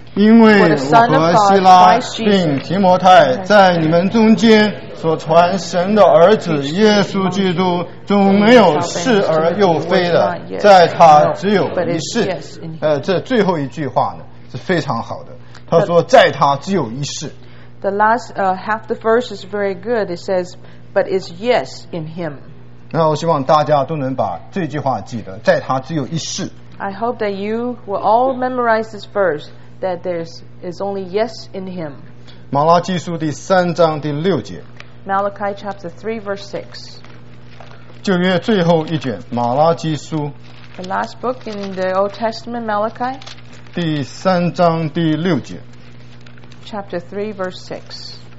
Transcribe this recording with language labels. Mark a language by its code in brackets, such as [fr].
[zh] 因为我和希拉并提摩太在你们中间所传神的儿子耶稣基督，总没有似而又非的，在他只有一事。这最后一句话呢是非常好的，他说在他只有一事。 [en] The last half the verse is very good. It says, but it's yes in him. [zh] 那我希望大家都能把这句话记得，在他只有一事。 [en] I hope that you will all memorize this verse, that there is only yes in him. [zh] 马拉基书第三章第六节。 [en] Malachi chapter 3 verse 6. [zh] 旧约最后一卷马拉基书。 [en] The last book in the Old Testament, Malachi. [zh] 第三章第六节。 [en] Chapter 3 verse 6.